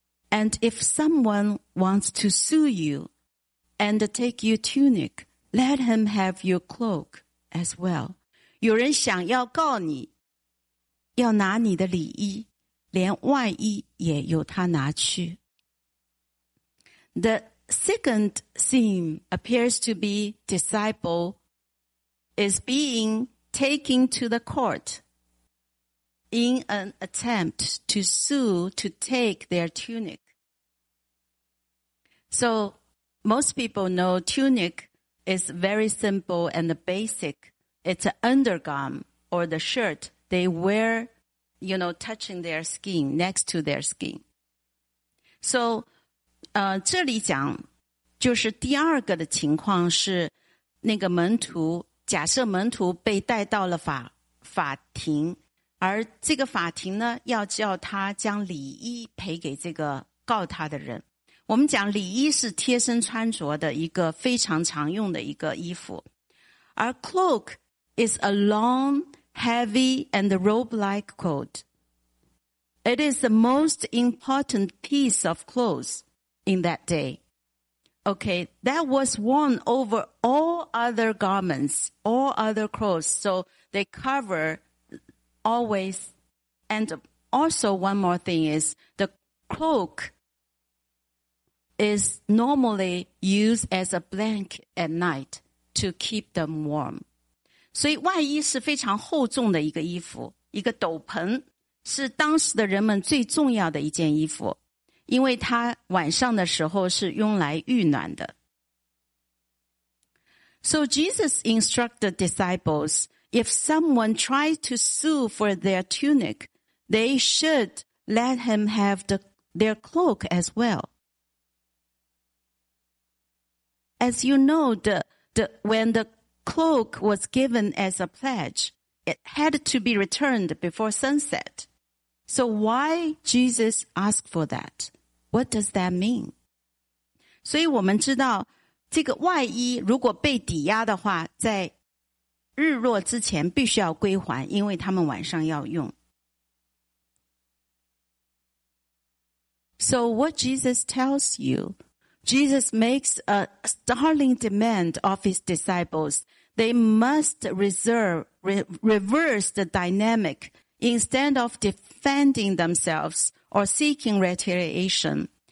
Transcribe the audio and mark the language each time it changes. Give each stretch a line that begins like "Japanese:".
English: And if someone wants to sue you and take your tunic, let him have your cloak as well.
Chinese: 有人想要告你，要拿你的礼衣，连外衣也由他拿去。
English: The second theme appears to be disciple is being taken to the court in an attempt to sue to take their tunic. So most people know tunic is very simple and basic. It's an undergarment or the shirt they wear, you know, touching their skin, next to their skin.
Chinese: So, 这里讲就是第二个的情况是那个门徒假设门徒被带到了法庭而这个法庭呢要叫他将礼衣赔给这个告他的人。我们讲礼衣是贴身穿着的一个非常常用的一个衣服。
English: 而 cloak is a long, heavy and robe-like coat. It is the most important piece of clothes in that day. Okay, that was worn over all other garments, all other clothes, so they cover always. And also one more thing is the cloak is normally used as a blanket at night to keep them warm.
Chinese: 所以外衣是非常厚重的一个衣服，一个斗篷是当时的人们最重要的一件衣服，因为它晚上的时候是用来御暖的。
English: So Jesus instructed disciples, if someone tries to sue for their tunic, they should let him have their cloak as well. As you know, when the cloak was given as a pledge, it had to be returned before sunset. So why Jesus asked for that? What does that mean?
Chinese: 所以我们知道这个外衣如果被抵押的话在日落之前必须要归还因为他们晚上要用。
English: So what Jesus tells you,Jesus makes a startling demand of his disciples. They must reverse the dynamic instead of defending themselves or seeking retaliation.